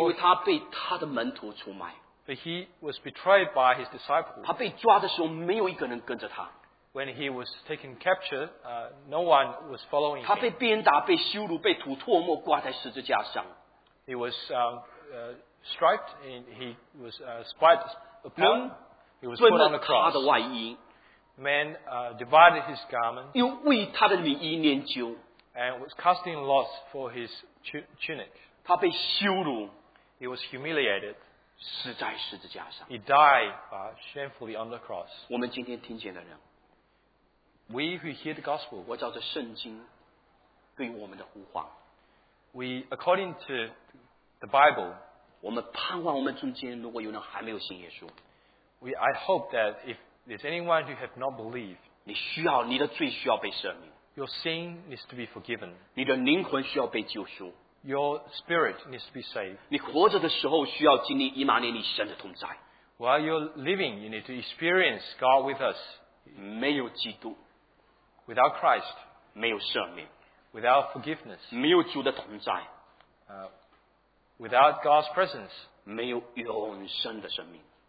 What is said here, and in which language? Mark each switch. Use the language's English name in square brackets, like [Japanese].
[Chinese] 因为他被他的门徒出卖。 [English] But he was betrayed by his disciples. [Chinese] 他被抓的时候，没有一个人跟着他。 [English] When he was taken captured, no one was following him. [Chinese] 他被鞭打、被羞辱、被吐唾沫挂在十字架上。 [English] He was striped and he was spied upon. He was put on the cross. [Chinese] 他的外衣。 [English] Man divided his garment. [Chinese] 又为他的礼衣研究。 [English] and was casting lots for his tunic. [Chinese] 他被羞辱, [English] he was humiliated. [Chinese] 死在十字架上, [English] he died shamefully on the cross. [Chinese] 我们今天听见的人, [English] we who hear the gospel, [Chinese] 我照着圣经对我们的呼唤, [English] we, according to the Bible, [Chinese] 我们盼望我们中间如果有人还没有信耶稣, [English] we, I hope that if there's anyone who have not believed, [Chinese] 你需要, 你的罪需要被赦免, [English] your sin needs to be forgiven. [Chinese] 你的灵魂需要被救赎, [English] your spirit needs to be saved. [Chinese] 你活着的时候需要经历以马内利神的同在, [English] while you're living, you need to experience God with us. [Chinese] 没有基督, [English] without Christ, [Chinese] 没有赦免, [English] without forgiveness, [Chinese] 没有主的同在, [English] without God's presence, [Chinese] 没有永生的生命,